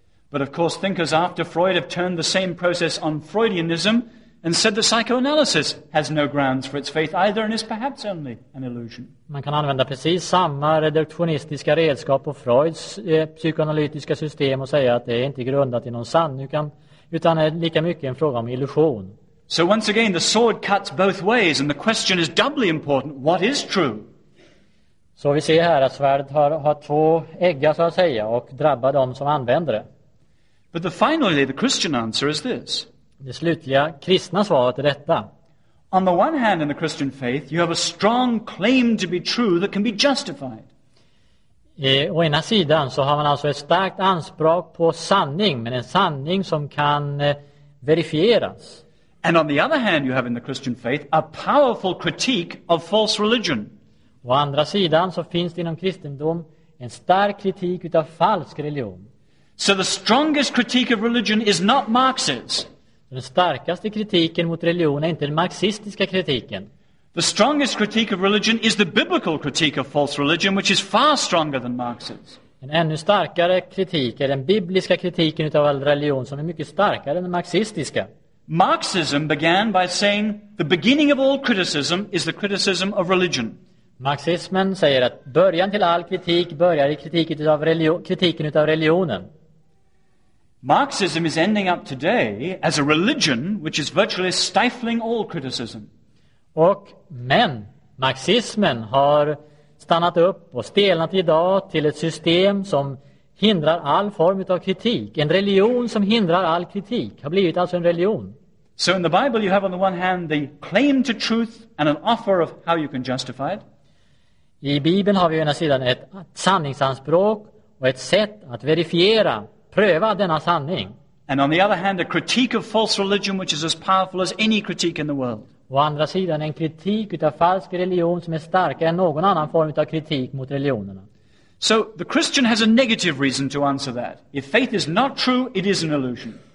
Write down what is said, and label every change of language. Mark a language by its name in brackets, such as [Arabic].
[English] But of course thinkers after Freud have turned the same process on Freudianism and said the psychoanalysis has no grounds for its faith either and is perhaps only an illusion. [Swedish] Man kan använda precis samma reduktionistiska redskap på Freuds psykoanalytiska system och säga att det är inte grundat i någon sanning, utan är lika mycket en fråga om illusion. [English] So once again the sword cuts both ways and the question is doubly important, what is true? [Swedish] Så vi ser här att svärdet har två äggar, så att säga, och drabbar dem som använder det. [English] But the finally the Christian answer is this. [Swedish] Det slutliga kristna svaret är detta. [English] On the one hand in the Christian faith you have a strong claim to be true that can be justified. [Swedish] Å ena sidan så har man alltså ett starkt anspråk på sanning, men en sanning som kan verifieras. [English] And on the other hand you have in the Christian faith a powerful critique of false religion. [Swedish] Å andra sidan så finns det inom kristendom en stark kritik utav falsk religion. [English] So the strongest critique of religion is not Marx's. [Swedish] Den starkaste kritiken mot religion är inte den marxistiska kritiken. [English] The strongest critique of religion is the biblical critique of false religion, which is far stronger than Marx's. [Swedish] En ännu starkare kritik är den bibliska kritiken utav all religion, som är mycket starkare än den marxistiska. [English] Marxism began by saying the beginning of all criticism is the criticism of religion. [Swedish] Marxismen säger att början till all kritik börjar i kritiken utav religionen. [English] Marxism is ending up today as a religion which is virtually stifling all criticism. [Swedish] Men marxismen har stannat upp och stelnat idag till ett system som hindrar all form av kritik. En religion som hindrar all kritik har blivit alltså en religion. [English] So in the Bible you have on the one hand the claim to truth and an offer of how you can justify it. [Swedish] I Bibeln har vi å ena sidan ett sanningsanspråk och ett sätt att verifiera, pröva denna sanning. [English] And on the other hand a critique of false religion which is as powerful as any critique in the world. [Swedish] Å andra sidan en kritik utav falsk religion som är starkare än någon annan form utav kritik mot religionerna. [English] So the Christian has a negative reason to answer that. If faith is not true, it is an illusion.